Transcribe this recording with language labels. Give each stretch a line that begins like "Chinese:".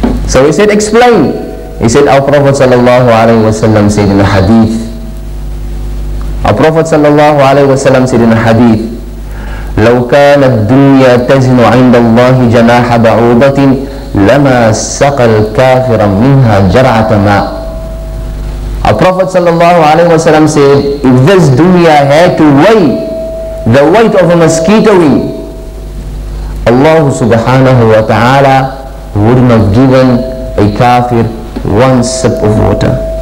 English: So he said, explain. He said, our Prophet sallallahu alaihi wasallam said in a hadith. Our Prophet sallallahu alaihi wasallam said in a hadith,
Arabic: لو كان الدنيا تزن عند الله جناح بعوضة لما سقى الكافر منها جرعة ماء.
English: Our Prophet sallallahu alaihi wasallam said, if this dunya had to weigh the weight of a mosquito, Allah subhanahu wa ta'ala would not have given a kafir one sip of water.